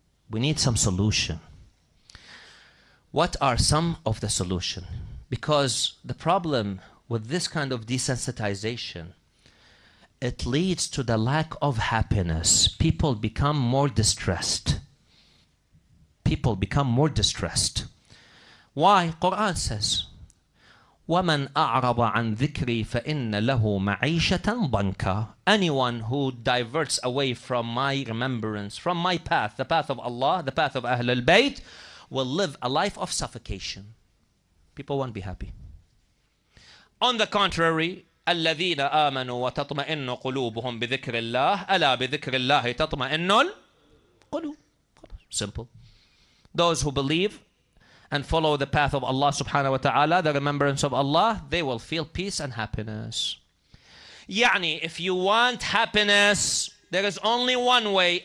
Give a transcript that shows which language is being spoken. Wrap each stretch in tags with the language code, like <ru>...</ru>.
<en>We need some solution. What are some of the solution? Because the problem with this kind of desensitization, it leads to the lack of happiness. People become more distressed. People become more distressed. Why? Quran says,</en> <ar>وَمَنْ أَعْرَضَ عَنْ ذِكْرِي فَإِنَّ لَهُ مَعِيشَةً ضَنْكًا.</ar> <en>Anyone who diverts away from my remembrance, from my path, the path of Allah, the path of Ahlul Bayt, will live a life of suffocation. People won't be happy. On the contrary,</en> <ar>الَّذِينَ آمَنُوا وَتَطْمَئِنُّ قُلُوبُهُمْ بِذِكْرِ اللَّهِ أَلَا بِذِكْرِ اللَّهِ تَطْمَئِنُّ الْقُلُوبُ.</ar> <en>Simple. Those who believe and follow the path of Allah subhanahu wa ta'ala, the remembrance of Allah, they will feel peace and happiness. يعني, if you want happiness, there is only one way.</en>